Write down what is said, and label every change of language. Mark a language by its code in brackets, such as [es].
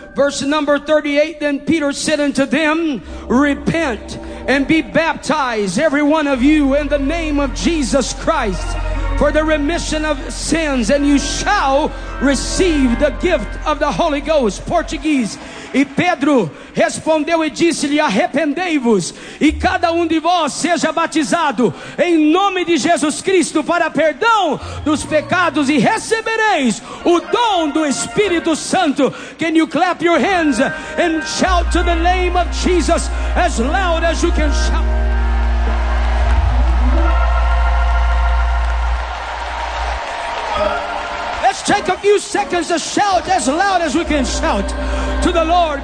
[en] Verse number 38, then Peter said unto them, repent and be baptized, every one of you, in the name of Jesus Christ, for the remission of sins, and you shall receive the gift of the Holy Ghost. Portuguese. [pt] E Pedro respondeu e disse-lhe, arrependei-vos, e cada de vós seja batizado em nome de Jesus Cristo para perdão dos pecados, e recebereis o dom do Espírito Santo. [en] Can you clap your hands and shout to the name of Jesus as loud as you can shout? Take a few seconds to shout as loud as we can shout to the Lord.